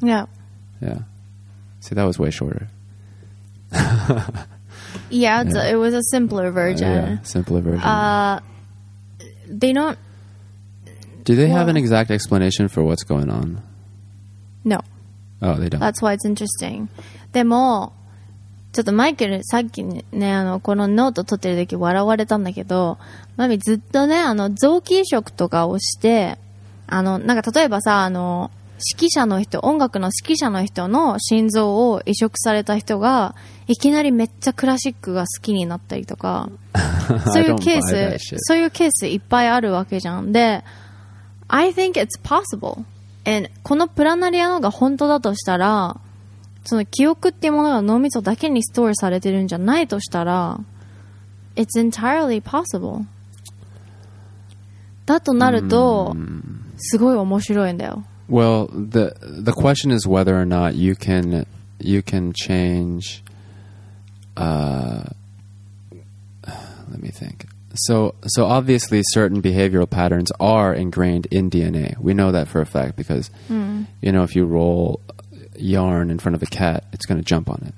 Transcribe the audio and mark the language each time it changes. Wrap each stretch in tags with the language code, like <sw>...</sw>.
<en>Yeah. Yeah. See, that was way shorter. Yeah, it's it was a simpler version. Yeah, simpler version. They don't... Do they have an exact explanation for what's going on? No. Oh, they don't. That's why it's interesting.</en> <ja>でも、ちょっとマイケル、さっきね、このノート撮ってる時笑われたんだけど、マミずっとね、臓器移植とかをして、なんか例えばさ、指揮者の人、音楽の指揮者の人の心臓を移植された人が、いきなりめっちゃクラシックが好きになったりとか、そういうケース、そういうケースいっぱいあるわけじゃん。で、</ja> <en>I think it's possible. And</en> <ja>このプラナリアのが本当だとしたら、その記憶っていうものが脳みそだけにストーリーされてるんじゃないとしたら、</ja> <en>It's entirely possible.</en> <ja>だとなると、すごい面白いんだよ。</ja> <en>Well, the question is whether or not you can change. Let me think. So obviously, certain behavioral patterns are ingrained in DNA. We know that for a fact because, you know, if you roll yarn in front of a cat, it's going to jump on it.</en>